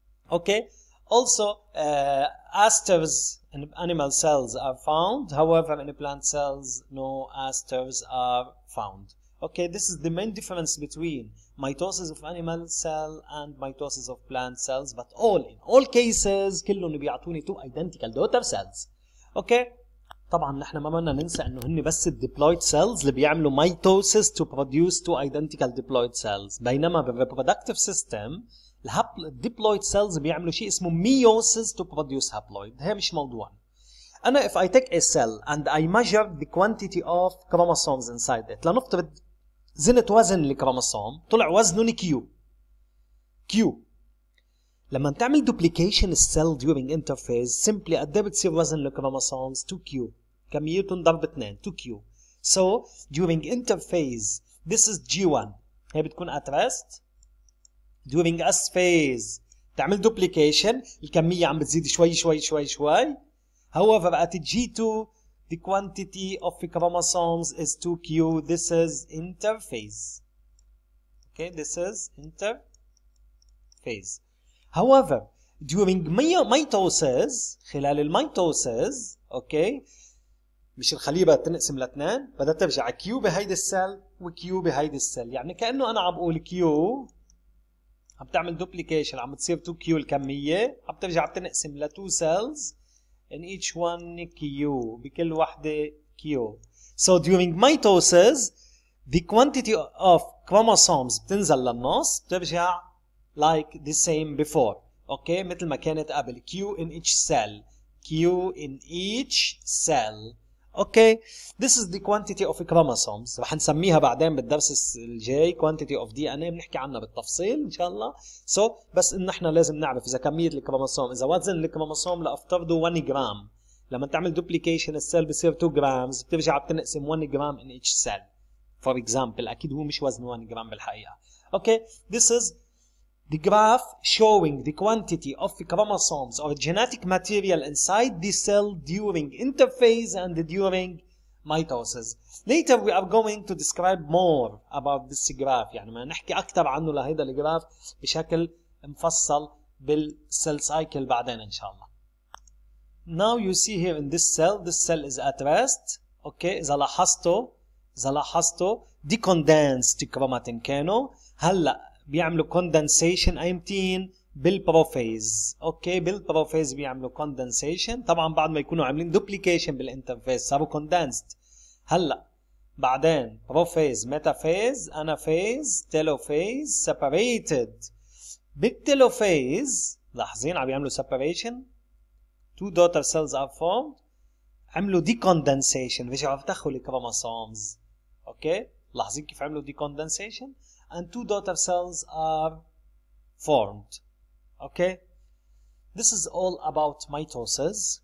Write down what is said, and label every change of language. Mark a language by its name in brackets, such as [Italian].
[English] Okay, also asters in animal cells are found, however in plant cells no asters are found. Okay, this is the main difference between mitosis of animal cell and mitosis of plant cells, but all in all cases [Arabic] كلهم بيعطوني [English] two identical daughter cells. [Arabic] Okay, طبعا نحن ما بدنا ننسى انه هن بس الديبلويد سيلز اللي بيعملوا mitosis [English] to produce two identical diploid cells, [Arabic] بينما بالreproductive system الديبلويد سيلز بيعملوا شيء اسمه meiosis [English] to produce haploid. [Arabic] هي مش موضوع. [English] انا if I take a cell and I measure the quantity of chromosomes inside it, [Arabic] لنفترض زنت وزن الكروموسوم طلع وزنه كيو كيو. لما تعمل duplication cell during interphase simply قد ايه بتصير وزن الكروموسومز 2q كميته ضرب 2 2q. [English] So during interphase this is g1 هي بتكون at rest. During S phase [Arabic] تعمل duplication الكمية عم بتزيد شوي شوي شوي شوي. [English] However at G2 the quantity of chromosomes is 2q. This is interphase. Okay, this is interphase. However during mitosis [Arabic] خلال الميتوسيس okay مش الخلية بدها تنقسم لاثنين بدها ترجع q بهيدي السل و q بهيدي السل. يعني كأنه أنا عم بقول q عم تعمل duplication عم بتصير 2q الكمية عم ترجع بتنقسم ل 2 cells [English] in each one q [Arabic] بكل واحدة q. [English] So during mitosis the quantity of chromosomes [Arabic] بتنزل للنص بترجع [English] like the same before. Okay [Arabic] مثل ما كانت قبل [English] q in each cell q in each cell. Okay this is the quantity of chromosomes [Arabic] رح نسميها بعدين بالدرس الجاي [English] quantity of DNA [Arabic] بنحكي عنها بالتفصيل ان شاء الله. So بس ان احنا لازم نعرف اذا كمية الكروموسوم اذا وزن الكروموسوم لأفترضه 1 جرام لما تعمل duplication السيل بصير 2 جرامز بترجع بتنقسم 1 جرام [English] in each cell for example. [Arabic] اكيد هو مش وزن 1 جرام بالحقيقة. [English] Okay this is the graph showing the quantity of chromosomes or genetic material inside the cell during interphase and during mitosis. Later we are going to describe more about this graph. [Arabic] يعني ما نحكي أكثر عنه لهذا الجراف بشكل مفصل بالcell cycle بعدين إن شاء الله. [English] Now you see here in this cell is at rest. Okay, [Arabic] إذا لاحظته, [English] decondensed chromatin كانوا. [Arabic] هلا بيعملوا condensation امتين بالبروفيز. اوكي بالبروفيز بيعملوا condensation طبعا بعد ما يكونوا عاملين duplication بالانترفيز صاروا condensed. هلا بعدين بروفيز ميتافيز انافيز تيلوفيز separated. بالتيلوفيز لاحظين عم بيعملوا separation [English] two daughter cells are formed [Arabic] عملوا decondensation رجعوا افتحوا الكروموسومز. [English] okay [Arabic] لاحظين كيف عملوا [English] decondensation and two daughter cells are formed. Okay, this is all about mitosis.